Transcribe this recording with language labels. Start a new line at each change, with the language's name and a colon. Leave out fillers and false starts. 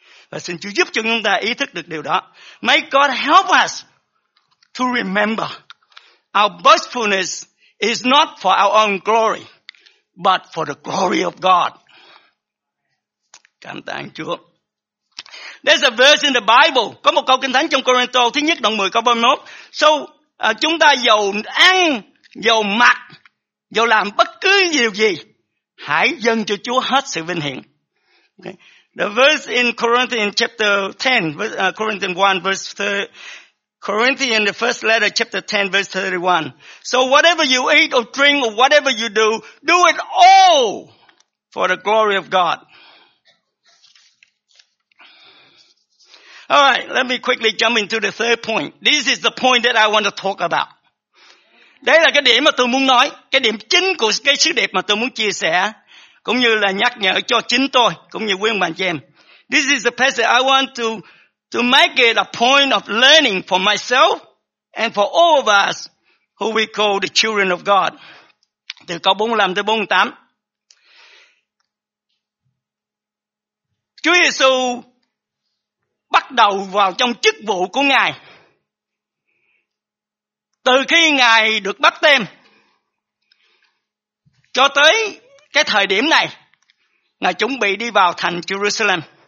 Vietnamese: Và xin Chúa giúp cho chúng ta ý thức được điều đó.
English: May God help us to remember our boastfulness is not for our own glory, but for the glory of God.
Vietnamese: Cảm tạ Chúa.
English: There's a verse in the Bible.
Vietnamese: Có một câu kinh thánh trong Corinto thứ nhất đoạn 10 câu 31. So, chúng ta dầu ăn, dầu mặc, dầu làm bất cứ điều gì, hãy dâng cho Chúa hết sự vinh hiển.
English: Okay. The verse in Corinthians chapter 10, Corinthians 1 verse 3. Corinthians, the first letter, chapter 10, verse 31. So whatever you eat or drink or whatever you do, do it all for the glory of God. All right, let me quickly jump into the third point. This is the point that I want to talk about.
Vietnamese: Đây là cái điểm mà tôi muốn nói, cái điểm chính của cái sứ điệp mà tôi muốn chia sẻ, cũng như là nhắc nhở cho chính tôi, cũng như quý ông bà chị em.
English: This is the passage I want to make it a point of learning for myself and for all of us who we call the children of God.
Vietnamese: Từ câu 45 tới 48. Chúa Giêsu bắt đầu vào trong chức vụ của Ngài. Từ khi Ngài được bắt tên cho tới cái thời điểm này, Ngài chuẩn bị đi vào thành Jerusalem.